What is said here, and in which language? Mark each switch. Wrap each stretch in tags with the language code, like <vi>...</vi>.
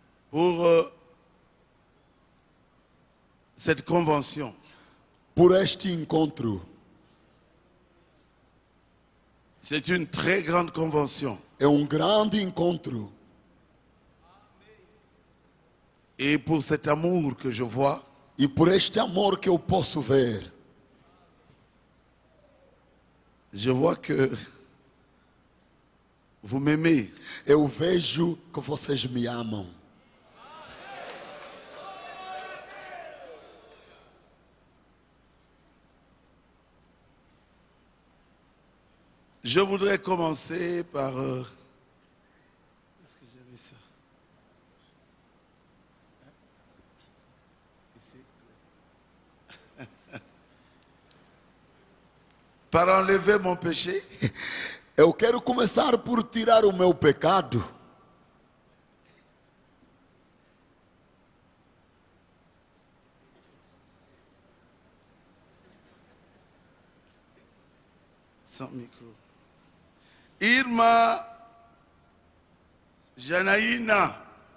<fr>Pour cette convention.</fr> <pt>Pour este encontro.</pt> <fr>C'est une très grande convention.</fr> <pt>É um grande encontro.</pt> <fr>Et pour cet amour que je vois.</fr> <pt>E por este amor que eu posso ver.</pt> <fr>Je vois que vous m'aimez.</fr> <pt>Eu vejo que vocês me amam.</pt> <fr>Je voudrais commencer par para enlever mon péché.</fr> <pt>Eu quero começar por tirar o meu pecado.</pt> <fr>Sans micro. Irma Janaína.</fr>